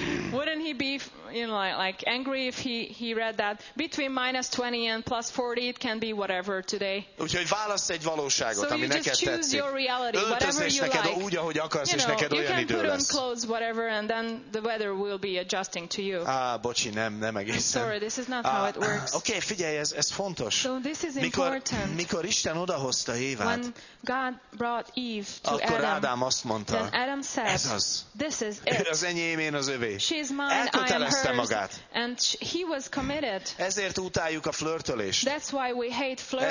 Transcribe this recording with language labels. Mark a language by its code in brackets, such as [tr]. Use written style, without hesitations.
[en] Wouldn't he be, you know, like angry if he read that between -20 and +40 it can be whatever today. [hu] Úgyhogy válassz egy valóságot, [en] so [hu] ami neked tetszik. [en] So you choose your reality, whatever you [hu] neked, [en] like. [hu] Úgy, ahogy akarsz, és neked olyan idő lesz. [en] You can put on clothes whatever and then the weather will be adjusting to you. [hu] Bocsi, nem egészen. [en] I'm sorry, this is not how it works. [hu] Okay, figyelj, ez fontos. [en] So this is important. [hu] Mikor Isten odahozta Évát, [en] when God brought Eve to [hu] akkor [en] Adam, [hu] Ádám azt mondta, [en] then Adam said, [hu] ez az. [en] This is it. [hu] Az enyém, én az övé. [en] She is mine, I am hers. [hu] Magát. [en] And he was committed. [hu] Ezért utáljuk a flörtölést. [en] That's why we hate flirting.